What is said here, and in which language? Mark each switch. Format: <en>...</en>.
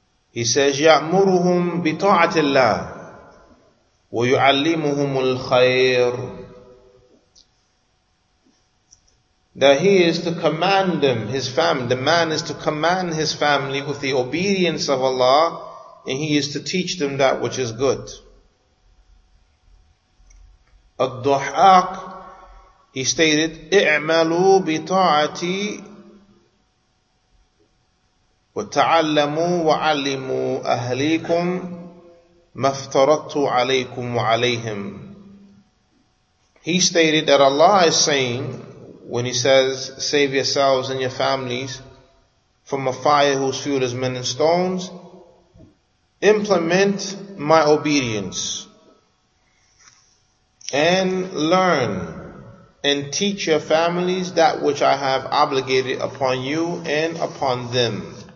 <en>He says,</en> <ar>يَأْمُرُهُمْ بِطَاعَةِ اللَّهِ وَيُعَلِّمُهُمُ الْخَيْرِ,</ar> <en>that he is to command them, his family, the man is to command his family with the obedience of Allah, and he is to teach them that which is good.</en> <ar>Al-Duhaq,</ar> <en>he stated,</en> <ar>اعملوا بطاعتي وتعلموا وعلموا أهليكم ما افترضت عليكم وعليهم.</ar> <en>He stated that Allah is saying, when he says, save yourselves and your families from a fire whose fuel is men and stones, implement my obedience and learn and teach your families that which I have obligated upon you and upon them.</en>